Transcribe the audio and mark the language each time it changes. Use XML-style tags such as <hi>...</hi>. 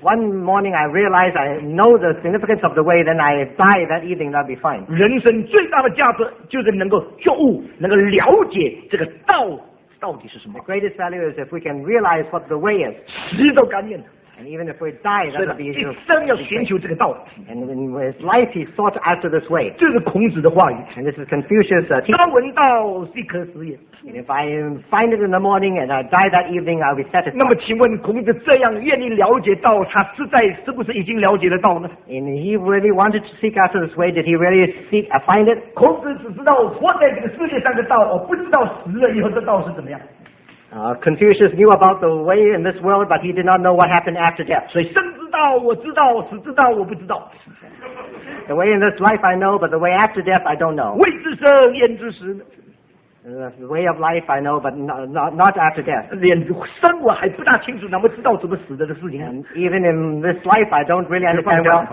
<en>one morning I realize I know the significance of the way, then I die that evening, that'd be fine.</en> <zh>人生最大的价值就是能够觉悟，能够了解这个道到底是什么。</zh> <en>The greatest value is if we can realize what the way is.</en> <zh>死都甘愿。</zh> <en>And even if we die, that would be his own. And in his life, he sought after this way. And this is Confucius' teaching. And if I find it in the morning and I die that evening, I'll be satisfied.</en> <zh>那么请问孔子这样愿意了解道，他实在是不是已经了解了道呢？</zh> <en>And he really wanted to seek after this way. Did he really seek, find it?</en> <zh>孔子只知道活在这个世界上的道，而不知道死了以后的道是怎么样。</zh> <en>Confucius knew about the way in this world, but he did not know what happened after death.</en> <zh>所以生之道我知道，死之道我不知道。</zh> <en>The way in this life I know, but the way after death I don't know.</en> <zh>未知生焉知死。</zh> <en>The way of life I know, but not after death.</en> <zh>连生我还不大清楚，那么知道怎么死的事情。</zh> <en>And even in this life I don't really understand well.</en>